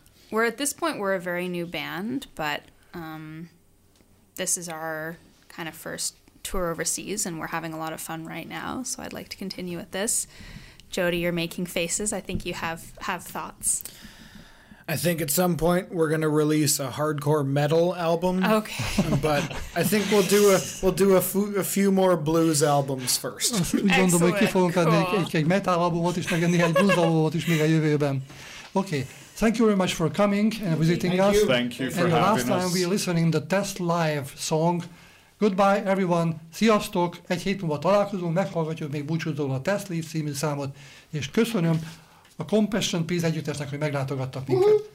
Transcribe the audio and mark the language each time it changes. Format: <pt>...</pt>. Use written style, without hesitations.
<en>We're at this point, we're a very new band, but this is our kind of first tour overseas, and we're having a lot of fun right now, so I'd like to continue with this. Jody, you're making faces. I think you have thoughts. I think at some point we're going to release a hardcore metal album. Okay. But I think we'll do a few more blues albums first.</en> <hu>Gondolom, hogy ki fogunk adni egy metal albumot is, meg néhány blues albumot is még a jövőben.</hu> <en>Okay. Thank you very much for coming and visiting us. Thank you for having us. And last time we were listening the Test Live song. Goodbye everyone.</en> <hu>Sziasztok. Egy hét múlva találkozunk, meghallgatjuk még búcsúzóan a Test Live című számot, és köszönöm a Compassion Peace együttesnek, hogy meglátogattak minket.</hu>